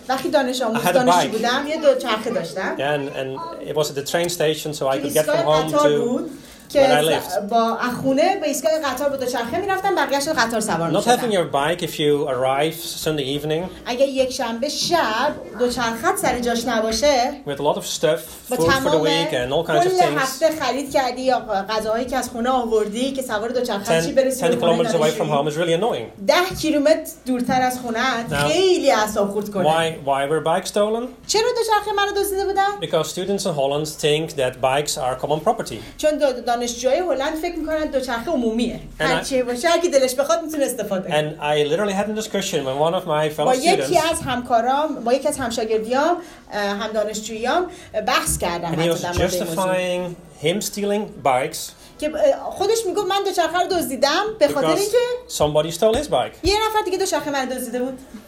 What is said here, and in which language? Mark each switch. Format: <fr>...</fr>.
<fa>وقتی دانش آموز دانشجو بودم یه دو چرخه داشتم.</fa> <en>Yeah, and it was at the train station so I could get from home to when I left.</en> <fa>با خونه به ایستگاه قطار بود و چرخه میرفتم بقیه‌اش رو قطار سوار می‌شدم.</fa> <en>Not having your bike if you arrive Sunday evening.</en> <fa>اگه یک شنبه شب دو چرخه سر جاش نباشه.</fa> <en>With a lot of stuff, food for the week and all kinds of things.</en> <fa>کل هفته خرید کردی یا غذاهایی که از خونه آوردی که سوار دو چرخه چی برسی.</fa> <en>10 kilometers away from home is really annoying.</en> <fa>10 کیلومتر دورتر از خونه خیلی اعصاب خرد کنه.</fa> <en>Why were bikes stolen?</en> <fa>چرا دو چرخه منو دزدیده بودن؟</fa> <en>Because students in Holland think that bikes are common property.</en> <fa>چون دانشجوی هلند فکر میکنن دوچرخه عمومیه. هرچی باشه اگه دلش بخواد میتونه استفاده کنه.</fa> <en>And I literally had a discussion with one of my fellow students.</en> <fa>با یکی از همشاگردیام، هم دانشجویام بحث کردم.</fa> <en>And he was justifying him stealing bikes.</en> <fa>که خودش میگه من دوچرخه رو دزدیدم به خاطر اینکه</fa> <en>somebody stole his bike.</en> <fa>یه نفر دیگه دوچرخه من دزدیده بود.</fa>